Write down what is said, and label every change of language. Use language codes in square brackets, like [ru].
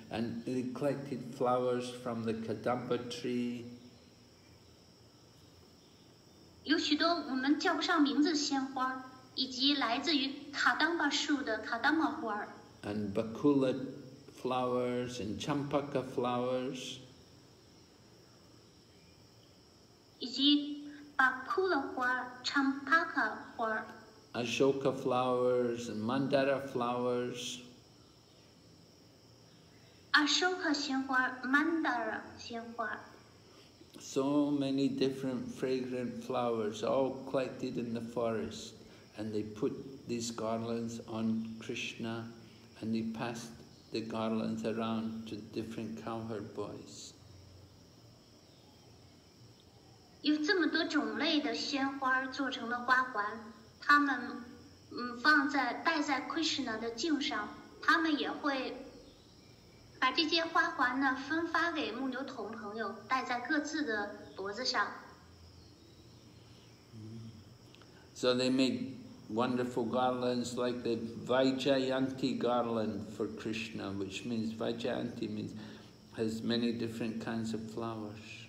[en] And they collected flowers from the Kadamba tree. [zh] 有许多我们叫不上名字的鲜花。以及来自于卡当巴树的卡当巴花 [en] and Bakula flowers and Champaka flowers, [zh] 以及 Bakula 花 Champaka 花 [en] Ashoka flowers and Mandara flowers, [zh] Ashoka 鲜花 Mandara 鲜花 [en] so many different fragrant flowers all collected in the forest. And they put these garlands on Krishna, and they passed the garlands around to different cowherd boys. [zh] 有这么多种类的鲜花做成了花环，他们放在戴在 Krishna 的颈上，他们也会把这些花环呢分发给牧牛童朋友戴在各自的脖子上。 [en] So they make. Wonderful garlands like the Vaijayanti garland for Krishna, which means Vaijayanti means has many different kinds of flowers.